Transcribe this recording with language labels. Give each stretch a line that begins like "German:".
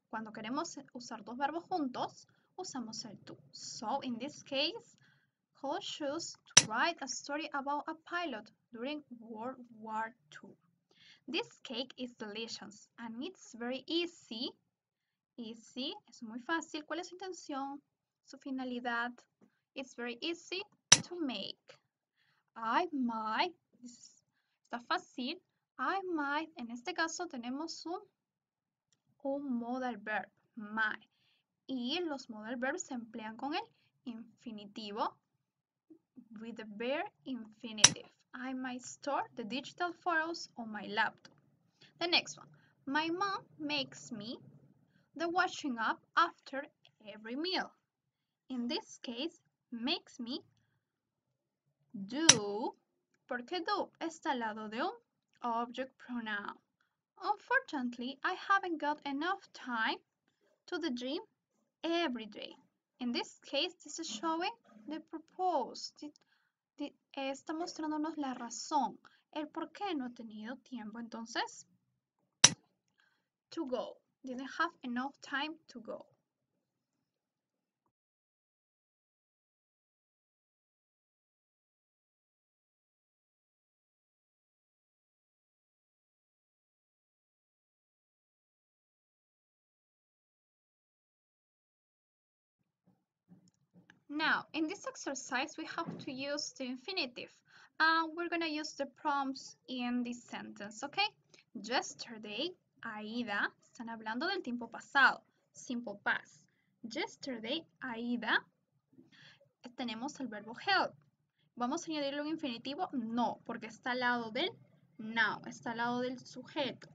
Spanish: Cuando queremos usar dos verbos juntos, usamos el to.
English: So, in this case, Cole chose to write a story about a pilot during World War II. This cake is delicious and it's very easy.
Spanish: Easy, es muy fácil. ¿Cuál es su intención? Su finalidad.
English: It's very easy to make.
Spanish: Está fácil.
English: I might,
Spanish: en este caso tenemos un modal verb, my. Y los modal verbs se emplean con el infinitivo.
English: With the bare infinitive. I might store the digital photos on my laptop. The next one. My mom makes me the washing up after every meal. In this case, makes me do.
Spanish: Porque do está al lado de un object pronoun.
English: Unfortunately, I haven't got enough time to the gym every day. In this case, this is showing the purpose.
Spanish: Está mostrándonos la razón, el por qué no he tenido tiempo.
English: Entonces, to go. Didn't have enough time to go. Now, in this exercise, we have to use the infinitive. We're going to use the prompts in this sentence, okay?
Spanish: Yesterday, Aida, están hablando del tiempo pasado, simple past. Yesterday, Aida, tenemos el verbo help. ¿Vamos a añadirle un infinitivo? No, porque está al lado del noun, está al lado del sujeto.